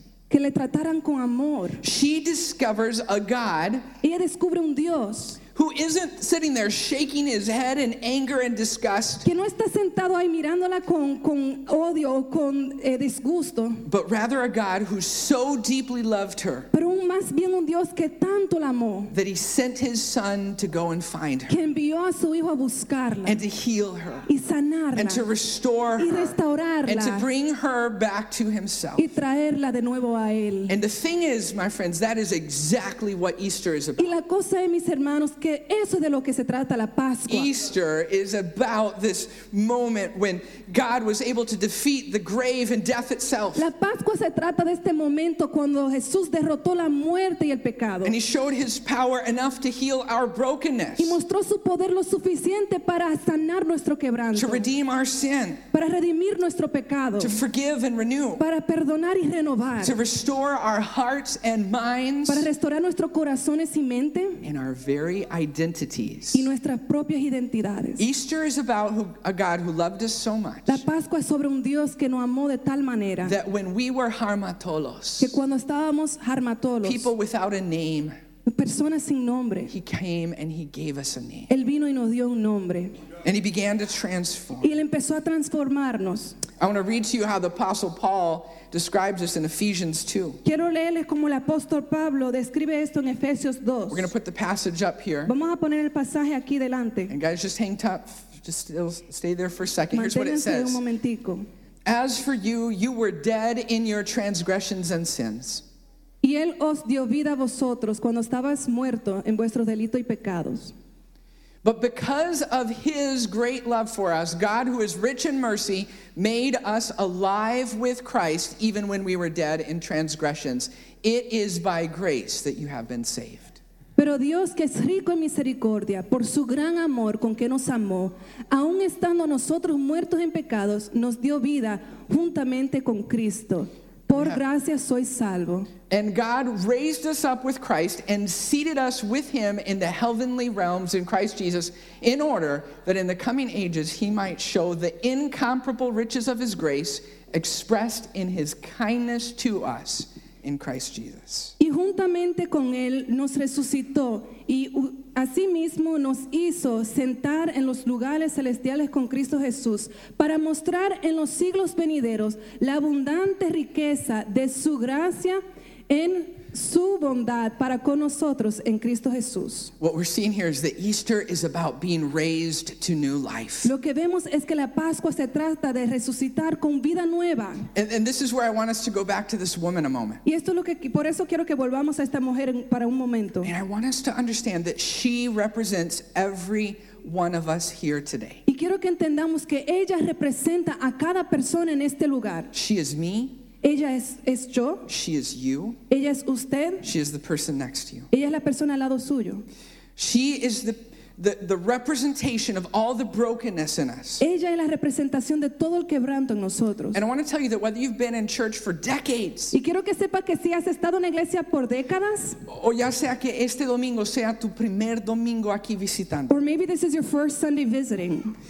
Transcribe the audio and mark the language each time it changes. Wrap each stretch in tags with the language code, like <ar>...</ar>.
<es>Que le trataran con amor.</es> <en>She discovers a God.</en> <es>Ella descubre un Dios.</es> <en>Who isn't sitting there shaking his head in anger and disgust?</en> <es>Que no está sentado ahí mirándola con odio o con disgusto.</es> <en>But rather a God who so deeply loved her.</en> <es>Pero más bien un Dios que tanto la amó.</es> <en>That he sent his son to go and find her.</en> <es>Que envió a su hijo a buscarla.</es> <en>And to heal her.</en> <es>Y sanarla.</es> <en>And to restore her.</en> <es>Y restaurarla.</es> <en>And to bring her back to himself.</en> <es>Y traerla de nuevo a él.</es> <en>And the thing is, my friends, that is exactly what Easter is about.</en> <es>Y la cosa es, mis hermanos, que eso de lo que se trata la Pascua.</es> <en>Easter is about this moment when God was able to defeat the grave and death itself.</en> <es>La Pascua se trata de este momento cuando Jesús derrotó la muerte y el pecado.</es> <en>And he showed his power enough to heal our brokenness.</en> <es>Y mostró su poder lo suficiente para sanar nuestro quebranto.</es> <en>To redeem our sin.</en> <es>Para redimir nuestro pecado.</es> <en>To forgive and renew.</en> <es>Para perdonar y renovar.</es> <en>To restore our hearts and minds.</en> <es>Para restaurar nuestros corazones y mente.</es> <en>And our very identities.</en> <es>Y nuestras propias identidades.</es> <en>Easter is about who, a God who loved us so much.</en> <es>La Pascua es sobre un Dios que nos amó de tal manera.</es> <en>That when we were harmatolos.</en> <es>Que cuando estábamos harmatolos.</es> <en>People without a name.</en> <es>Personas sin nombre.</es> <en>He came and he gave us a name.</en> <es>Él vino y nos dio un nombre.</es> <en>And he began to transform.</en> <es>Y él empezó a transformarnos.</es> <en>I want to read to you how the Apostle Paul describes this in Ephesians 2.</en> <es>Quiero leerles como el apóstol Pablo describe esto en Efesios 2.</es> <en>We're going to put the passage up here.</en> <es>Vamos a poner el pasaje aquí delante.</es> <en>And guys, just hang tough. Just stay there for a second.</en> <es>Manténganse</es> <en>here's what it says.</en> <es>Un momentico.</es> <en>As for you, you were dead in your transgressions and sins.</en> <es>Y él os dio vida a vosotros cuando estabas muerto en vuestros delitos y pecados.</es> <en>But because of his great love for us, God, who is rich in mercy, made us alive with Christ even when we were dead in transgressions. It is by grace that you have been saved.</en> <es>Pero Dios, que es rico en misericordia, por su gran amor con que nos amó, aun estando nosotros muertos en pecados, nos dio vida juntamente con Cristo. Por gracia soy salvo.</es> <en>And God raised us up with Christ and seated us with him in the heavenly realms in Christ Jesus in order that in the coming ages he might show the incomparable riches of his grace expressed in his kindness to us in Christ Jesus.</en> <es>Y juntamente con él nos resucitó y asimismo nos hizo sentar en los lugares celestiales con Cristo Jesús para mostrar en los siglos venideros la abundante riqueza de su gracia en su bondad para con nosotros en Cristo Jesús.</es> <en>What we're seeing here is that Easter is about being raised to new life.</en> <es>Lo que vemos es que la Pascua se trata de resucitar con vida nueva.</es> <en>And this is where I want us to go back to this woman a moment.</en> <es>Y esto es lo que por eso quiero que volvamos a esta mujer para un momento.</es> <en>And I want us to understand that she represents every one of us here today.</en> <es>Y quiero que entendamos que ella representa a cada persona en este lugar.</es> <en>She is me.</en> <es>Ella es yo.</es> <en>She is you.</en> <es>Ella es usted.</es> <en>She is the person next to you.</en> <es>Ella es la persona al lado suyo.</es> <en>She is the representation of all the brokenness in us.</en> <es>Ella es la representación de todo el quebranto en nosotros.</es> <en>And I want to tell you that whether you've been in church for decades,</en> <es>y quiero que sepa que si has estado en la iglesia por décadas, o ya sea que este domingo sea tu primer domingo aquí visitando,</es> <en>or maybe this is your first Sunday visiting,</en>